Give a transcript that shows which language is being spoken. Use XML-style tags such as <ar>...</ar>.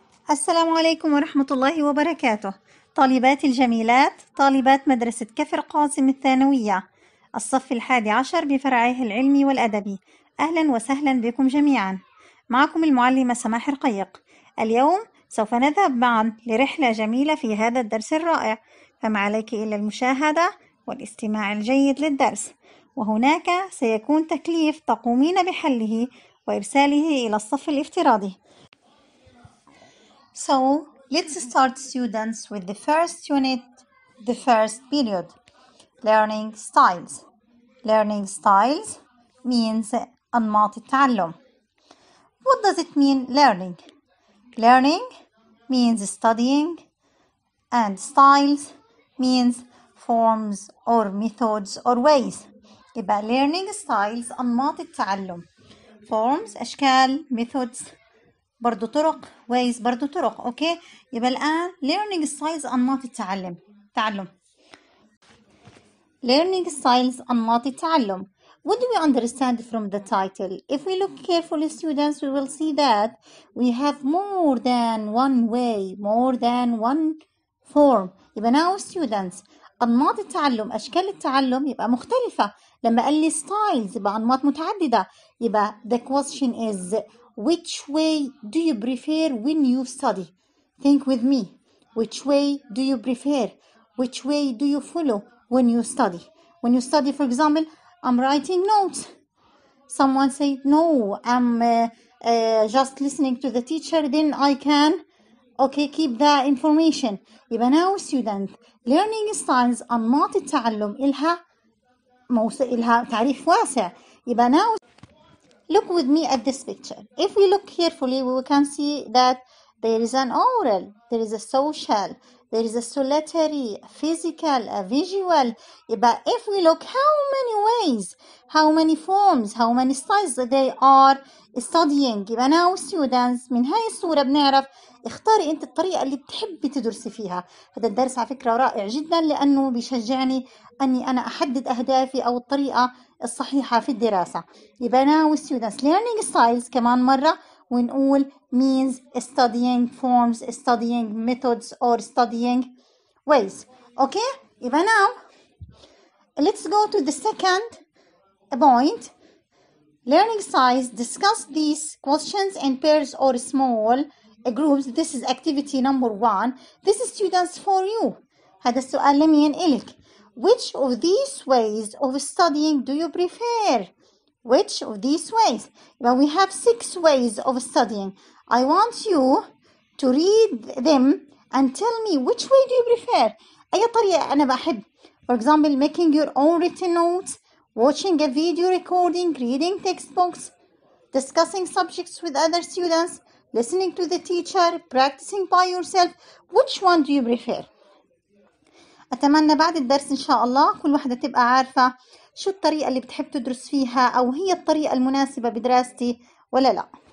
<ar>السلام عليكم ورحمة الله وبركاته، طالباتي الجميلات، طالبات مدرسة كفر قاسم الثانوية، الصف الحادي عشر بفرعيه العلمي والأدبي، أهلا وسهلا بكم جميعا، معكم المعلمة سماح ارقيق، اليوم سوف نذهب معا لرحلة جميلة في هذا الدرس الرائع، فما عليك إلا المشاهدة والاستماع الجيد للدرس، وهناك سيكون تكليف تقومين بحله وإرساله إلى الصف الافتراضي.</ar> <en>So, let's start students with the first unit, the first period, learning styles. Learning styles means</en> <ar>أنماط التعلم.</ar> <en>What does it mean learning? Learning means studying, and styles means forms or methods or ways.</en> <ar>يبقى learning styles أنماط التعلم. Forms أشكال, methods برضو طرق، ways برضو طرق، اوكي؟ يبقى الآن learning styles أنماط التعلم، تعلم.</ar> <en>Learning styles</en> <ar>أنماط التعلم.</ar> <en>What do we understand from the title? If we look carefully students, we will see that we have more than one way, more than one form.</en> <ar>يبقى</ar> <en>now students,</en> <ar>أنماط التعلم، أشكال التعلم يبقى مختلفة. لما قال لي styles يبقى أنماط متعددة.</ar> <en>يبقى the question is, Which way do you prefer when you study? Think with me. Which way do you prefer? Which way do you follow when you study? When you study, for example, I'm writing notes. Someone said, no, I'm just listening to the teacher. Then I can, okay, keep the information.</en> <ar>يبقى</ar> <en>now student,</en> <ar>learning styles أنماط التعلم إلها تعريف واسع.</ar> <en>يبقى now Look with me at this picture. If we look carefully, we can see that there is an oral, there is a social, there is a solitary, a physical, a visual. But if we look how many ways, how many forms, how many styles they are studying. But now students,</en> <ar>من هاي الصورة بنعرف اختاري انت الطريقة اللي بتحبي تدرسي فيها. هذا الدرس على فكرة رائع جدا لأنه بيشجعني أني أنا أحدد أهدافي أو الطريقة الصحيحة في الدراسة.</ar> <en>يبقى now students learning styles</en> <ar>كمان مرة ونقول</ar> <en>means studying forms, studying methods or studying ways. Okay? يبقى now let's go to the second point. Learning styles discuss these questions in pairs or small groups. This is activity number one. This is students for you.</en> <ar>هذا السؤال لمين إلك؟</ar> <en>Which of these ways of studying do you prefer? Which of these ways? Well, we have six ways of studying. I want you to read them and tell me which way do you prefer?</en> <ar>أي طريقة أنا بحب.</ar> <en>For example, making your own written notes, watching a video recording, reading textbooks, discussing subjects with other students, listening to the teacher, practicing by yourself. Which one do you prefer?</en> <ar>أتمنى بعد الدرس إن شاء الله كل واحدة تبقى عارفة شو الطريقة اللي بتحب تدرس فيها أو هي الطريقة المناسبة بدراستي ولا لا.</ar>